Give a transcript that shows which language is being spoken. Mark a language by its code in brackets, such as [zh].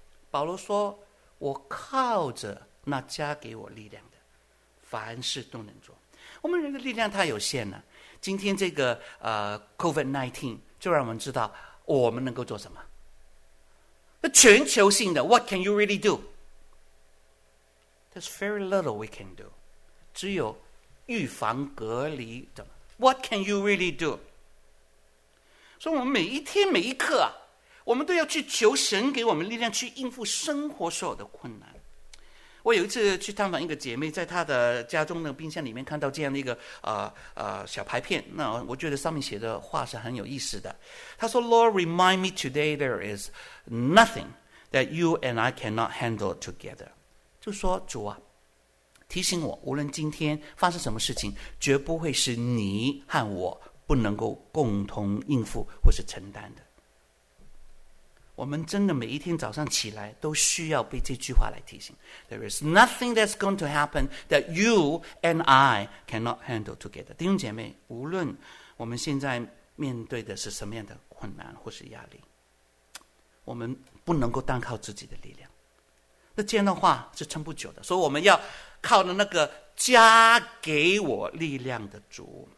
[zh] 保罗说，我靠着那加给我力量的，凡事都能做。我们人的力量太有限了。今天这个COVID-19 就让我们知道我们能够做什么。全球性的 [en] What can you really do? There's very little we can do. [zh] 只有预防隔离的 [en] What can you really do? [zh] 所以我们每一天每一刻啊，我们都要去求神给我们力量去应付生活所有的困难。我有一次去探访一个姐妹，在她的家中的冰箱里面看到这样的一个小牌片，那我觉得上面写的话是很有意思的。她说 [en] Lord remind me today there is nothing that you and I cannot handle together. [zh] 就说主啊，提醒我无论今天发生什么事情，绝不会是你和我不能够共同应付或是承担的。我们真的每一天早上起来都需要被这句话来提醒。 [en] There is nothing that's going to happen that you and I cannot handle together. [zh] 弟兄姐妹，无论我们现在面对的是什么样的困难或是压力，我们不能够单靠自己的力量。那这样的话是撑不久的，所以我们要靠着那个加给我力量的主。